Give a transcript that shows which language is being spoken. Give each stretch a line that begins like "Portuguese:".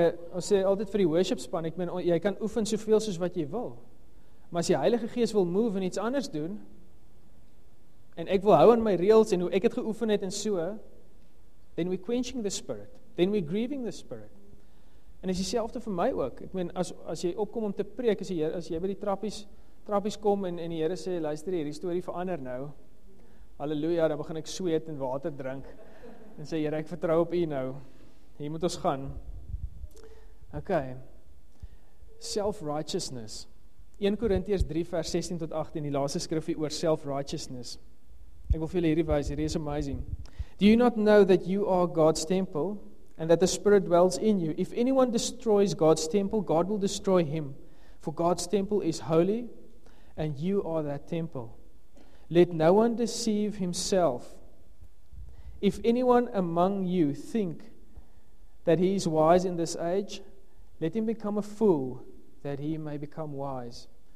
Afrikaans: Ons sê altyd vir die worship span, ek meen, jy kan oefen soveel soos wat jy wil. Maar as die Heilige Gees wil move en iets anders doen, en ek wil hou aan my reels en hoe ek het geoefen het en so,
English: then we're quenching the spirit. Then we're grieving the spirit.
Afrikaans: En is dieselfde vir my ook. Ek meen, as jy opkom om te preek, as jy by die trappies kom en die Here sê, luister hierdie story verander nou, halleluja, dan begin ek sweet en water drink. En sê, Here, ek vertrou op u nou. Hier moet ons gaan. Okay. Self-righteousness. 1 Korintiërs 3 vers 16 tot 18, die laaste skrifie oor self-righteousness. Ek wil vir julle hierdie wys, hierdie is amazing.
English: Do you not know that you are God's temple and that the Spirit dwells in you? If anyone destroys God's temple, God will destroy him. For God's temple is holy and you are that temple. Let no one deceive himself. If anyone among you think that he is wise in this age, let him become a fool that he may become wise.